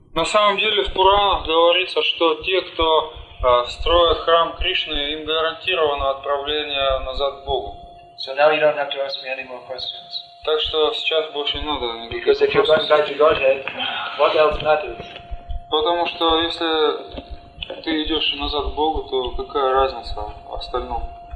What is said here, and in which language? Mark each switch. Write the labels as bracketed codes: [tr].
[ru] На самом деле в Пуранах говорится, что те, кто строят храм Кришны, им гарантировано отправление назад к Богу. [en] So now you don't have to ask me any more questions. [ru] Так что сейчас больше не надо никаких вопросов. [en] Because if you're going back to Godhead, what else matters? [ru] Потому что если ты идешь назад к Богу, то какая разница в остальном?